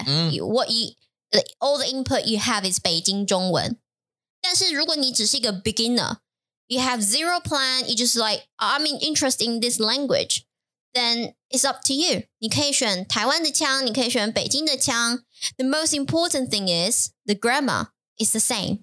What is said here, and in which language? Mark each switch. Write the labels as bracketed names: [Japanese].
[English] All the input you have is Beijing 中文. [Chinese] 但是如果你只是一个 [English] beginner, you have zero plan, you just like, I'm interested in this language, then it's up to you. [Chinese] 你可以选台湾的腔, 你可以选北京的腔. [English] The most important thing is the grammar is the same.